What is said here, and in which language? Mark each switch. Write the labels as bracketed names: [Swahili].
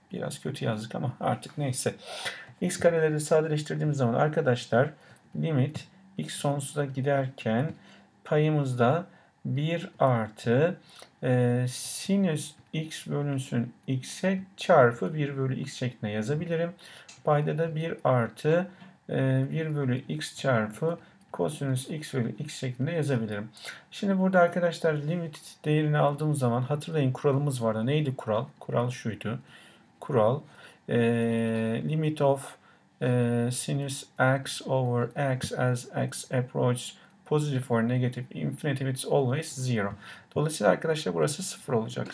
[Turkish] Biraz kötü yazdık ama artık neyse. X kareleri sadeleştirdiğimiz zaman arkadaşlar limit x sonsuza giderken payımızda 1 artı sinüs x bölünsün x'e çarpı 1 bölü x şeklinde yazabilirim. Payda da 1 artı 1 bölü x çarpı kosinüs x bölü x şeklinde yazabilirim. Şimdi burada arkadaşlar limit değerini aldığımız zaman hatırlayın kuralımız vardı. Neydi kural? Kural şuydu. [English] Kural limit of sinüs x over x as x approaches positive or negative infinity it's always zero. [Turkish] Dolayısıyla arkadaşlar burası 0 olacak.